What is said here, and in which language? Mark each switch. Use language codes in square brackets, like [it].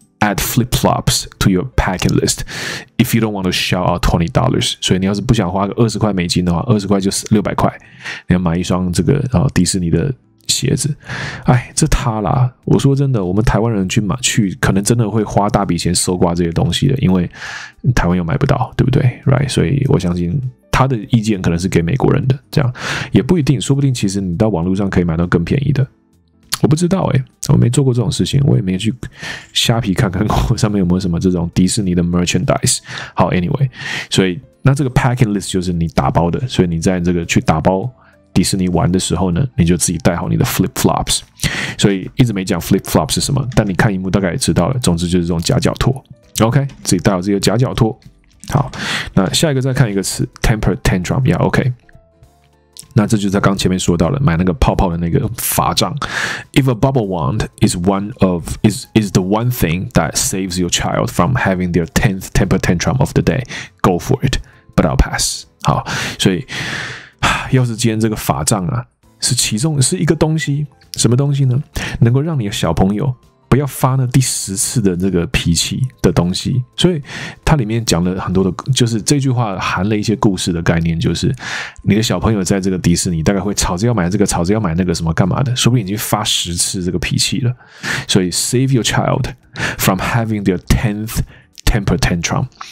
[en] Add flip flops to your packing list if you don't want to shell out $20. [zh] 所以你要是不想花个20块美金的话，20块就600块，你要买一双这个迪士尼的鞋子。哎，这他啦！我说真的，我们台湾人去可能真的会花大笔钱搜刮这些东西的，因为台湾又买不到，对不对 ？Right？所以我相信他的意见可能是给美国人的，这样也不一定，说不定其实你到网络上可以买到更便宜的。我不知道欸，我没做过这种事情，我也没去虾皮看看过上面有没有什么这种迪士尼的 merchandise。好 ，anyway， 所以那这个 packing list 就是你打包的，所以你在这个去打包迪士尼玩的时候呢，你就自己带好你的 flip flops。所以一直没讲 flip flops 是什么，但你看荧幕大概也知道了。总之就是这种夹脚托 ，OK， 自己带好自己的夹脚托。好，那下一个再看一个词 ，temper tantrum， yeah， OK。那这就是他刚前面说到了买那个泡泡的那个法杖。 [en] If a bubble wand is the one thing that saves your child from having their 10th temper tantrum of the day, go for it, but I'll pass. [zh] 好，所以要是今天这个法杖啊，是其中是一个东西，什么东西呢？能够让你的小朋友不要发那第十次的这个脾气的东西。所以它里面讲了很多的，就是这句话含了一些故事的概念，就是你的小朋友在这个迪士尼大概会吵着要买这个，吵着要买那个什么干嘛的，说不定已经发十次这个脾气了。 [en] 所以 save your child from having their 10th temper tantrum。